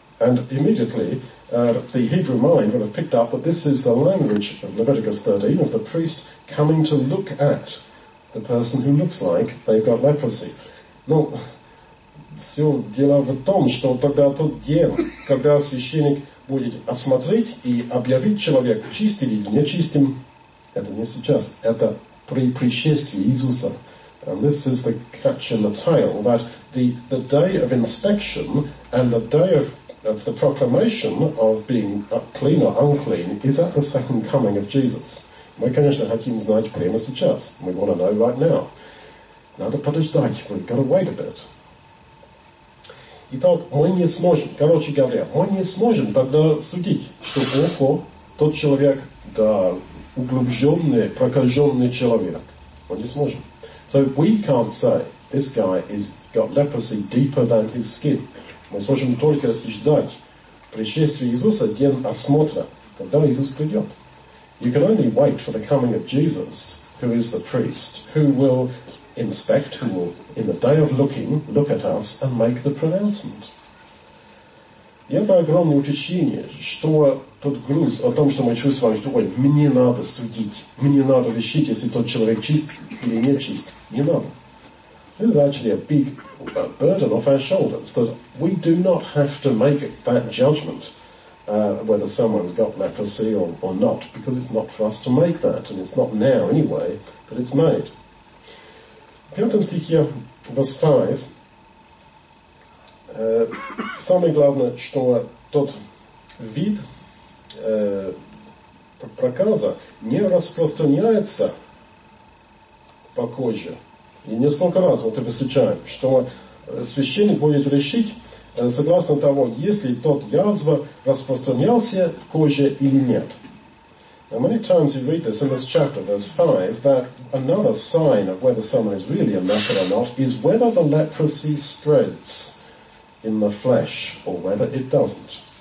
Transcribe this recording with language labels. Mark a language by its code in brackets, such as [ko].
[en] And immediately, the Hebrew mind would have picked up that this is the language of Leviticus 13, of the priest coming to look at the person who looks like they've got leprosy. [ru] Ну, все дело в том, что тогда тот день, когда священник будет осмотреть и объявить человек чистым или нечистым, это не сейчас, это при пришествии Иисуса. [en] And this is the catch in the tale, that the day of inspection and the day of the proclamation of being clean or unclean is at the second coming of Jesus. [ru] Мы, конечно, хотим знать прямо сейчас. [en] We want to know right now. [ru] Надо подождать. [en] We've got to wait a bit. [ru] Итак, мы не сможем, короче говоря, мы не сможем тогда судить, что ого, тот человек, да, углубленный, прокаженный человек. Мы не сможем. [en] So we can't say, this guy has got leprosy deeper than his skin. [ru] Мы сможем только ждать пришествия Иисуса, день осмотра, когда Иисус придет. [en] You can only wait for the coming of Jesus, who is the priest, who will inspect, who will, in the day of looking, look at us and make the pronouncement. [ru] И это огромное утешение, что тот груз о том, что мы чувствуем, что ой, мне надо судить, мне надо решить, если тот человек чист или не чист, не надо. [en] This is actually a big burden off our shoulders, that we do not have to make that judgment whether someone's got leprosy or not, because it's not for us to make that, and it's not now anyway that it's made. [ru] В пятом стихе, [en] verse 5, [ru] самое главное, что тот вид проказа не распространяется по коже. И несколько раз вот и встречаем, что священник будет решить согласно того, если тот язва распространялся в коже или нет. [en] Now many times you read this in this chapter, verse 5, that another sign of whether someone is really a leper or not is whether the leprosy spreads in the flesh or whether it doesn't.